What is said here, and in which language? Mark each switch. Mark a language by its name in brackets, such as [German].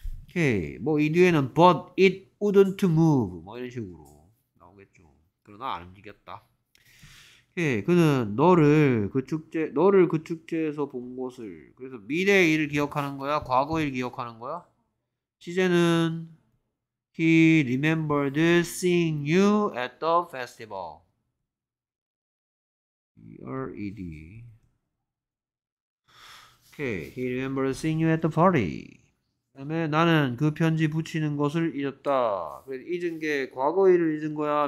[Korean] 오케이. 뭐 이 뒤에는 [English] But it wouldn't move [Korean] 뭐 이런 식으로 그러나 안 움직였다. 예, 그는 너를 그 축제에서 본 것을, 그래서 미래의 일을 기억하는 거야? 과거의 일을 기억하는 거야? 시제는 [English] He remembered seeing you at the festival. E-R-E-D. Okay, He remembered seeing you at the party. [Korean] 그 다음에 나는 그 편지 붙이는 것을 잊었다. 그래, 잊은 게 과거 일을 잊은 거야?